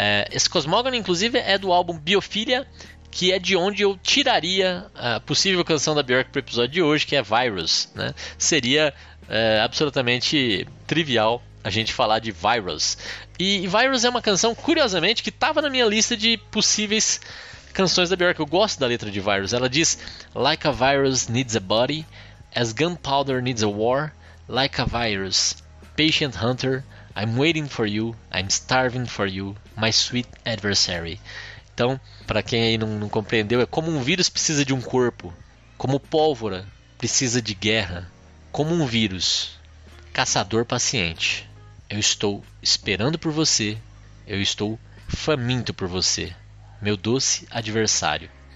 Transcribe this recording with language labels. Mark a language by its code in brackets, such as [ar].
[pt] Esse Cosmogony, inclusive, é do álbum Biophilia, que é de onde eu tiraria a possível canção da Björk para o episódio de hoje, que é Virus, né? Seria absolutamente trivial a gente falar de Virus. E Virus é uma canção, curiosamente, que estava na minha lista de possíveis canções da Björk. Eu gosto da letra de Virus. Ela diz: [en] Like a virus needs a body, as gunpowder needs a war, like a virus, patient hunter, I'm waiting for you, I'm starving for you, my sweet adversary. [pt] Então, para quem aí não compreendeu, é como um vírus precisa de um corpo, como pólvora precisa de guerra, como um vírus, caçador paciente, eu estou esperando por você, eu estou faminto por você, meu doce adversário.